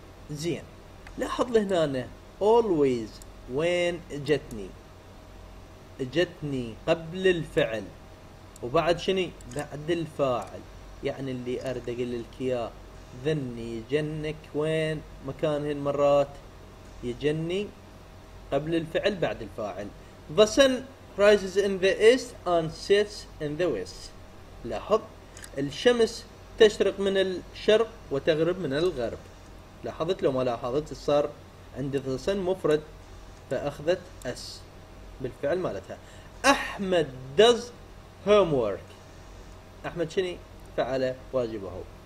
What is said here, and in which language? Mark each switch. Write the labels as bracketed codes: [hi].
[ar] زين لاحظ لهنا always وين جتني؟ جتني قبل الفعل وبعد شني؟ بعد الفاعل. يعني اللي أرد أقول لك يا ذني يجنك وين مكانهن مرات؟ يجني قبل الفعل بعد الفاعل. [en] The sun rises in the east and sets in the west. [ar] لاحظ الشمس تشرق من الشرق وتغرب من الغرب. لاحظت لو ما لاحظت صار عند the sun مفرد فأخذت S بالفعل مالتها. أحمد [en] does homework. [ar] أحمد شني؟ فعل واجبه.